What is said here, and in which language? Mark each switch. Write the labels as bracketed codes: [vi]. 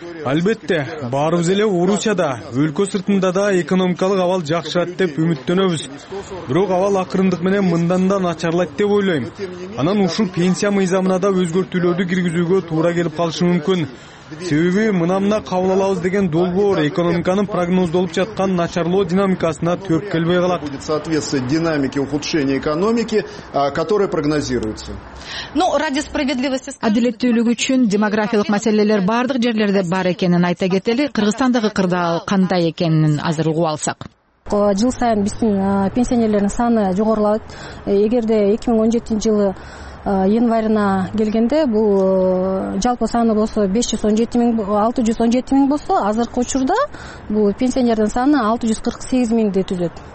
[ky] Албетте баарыбыз эле Орусияда, өлкө сыртында да экономикалык абал жакшырат деп үмүттөнөбүз. Бирок абал акырындык менен мындан да начарлайт деп ойлойм. Анан ушул пенсия мыйзамына да өзгөртүүлөрдү киргизүүгө туура келип калышы мүмкүн. Себеби мына мына кабыл алабыз деген долбоор экономиканын прогноздолуп жаткан начарлоо динамикасына төрт келбей калат. [ru] Будет соответствовать динамике ухудшения экономики, которая прогнозируется. Ну, ради справедливости. [ky] Адилеттүүлүгү үчүн демографиялык маселелер бардык жерлерде бар экенин айта кетели, Кыргызстандагы кырдаал кандай экенин азыр угуп алсак. Жыл сайын биздин пенсионерлердин саны жогорулайт. Эгерде 2017 жылы январына келгенде бул жалпы саны болсо 617 миң болсо, азыркы учурда бул пенсионердин саны 648 миңди түзөт.